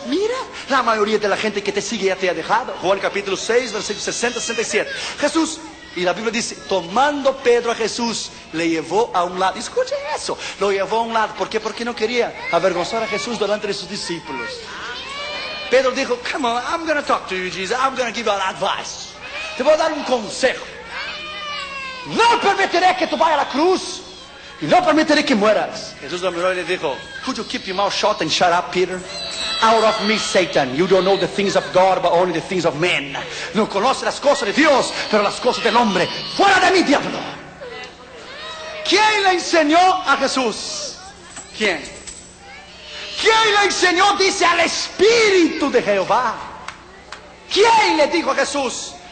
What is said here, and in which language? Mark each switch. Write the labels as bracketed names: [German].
[Spanish] Mira, la mayoría de la gente que te sigue ya te ha dejado. Juan capítulo 6, versículo 60-67. Jesús. Y la Biblia dice, tomando Pedro a Jesús, le llevó a un lado. Escuche eso, lo llevó a un lado. ¿Por qué? Porque no quería avergonzar a Jesús delante de sus discípulos. Pedro dijo, [English] come on, I'm going to talk to you, Jesus. I'm going to give you an advice. [Spanish] Te voy a dar un consejo. No permitiré que tú vayas a la cruz. Y no permitiré que mueras. Jesús lo miró y le dijo, [English] could you keep your mouth shut and shut up, Peter? Out of me, Satan. You don't know the things of God, but only the things of men. [Spanish] No conoce las cosas de Dios, pero las cosas del hombre. Fuera de mí, diablo. ¿Quién le enseñó a Jesús? ¿Quién? ¿Quién le enseñó? Dice, al Espíritu de Jehová. ¿Quién le dijo a Jesús?